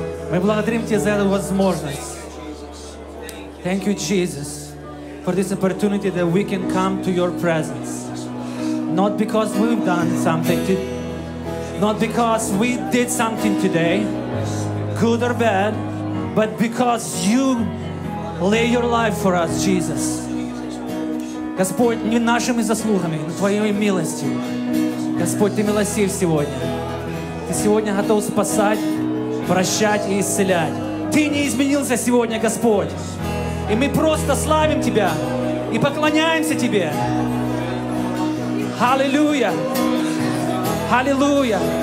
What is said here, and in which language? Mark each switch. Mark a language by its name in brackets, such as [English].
[Russian] Мы благодарим Тебя за эту возможность. [English] Thank you, Jesus, for this opportunity that we can come to Your presence. Not because we've done something, not because we did something today, good or bad, but because You lay Your life for us, Jesus. [Russian] Господь, не нашими заслугами, но Твоей милостью. Господь, Ты милостив сегодня. Ты сегодня готов спасать, прощать и исцелять. Ты не изменился сегодня, Господь. И мы просто славим Тебя и поклоняемся Тебе. Аллилуйя! Аллилуйя!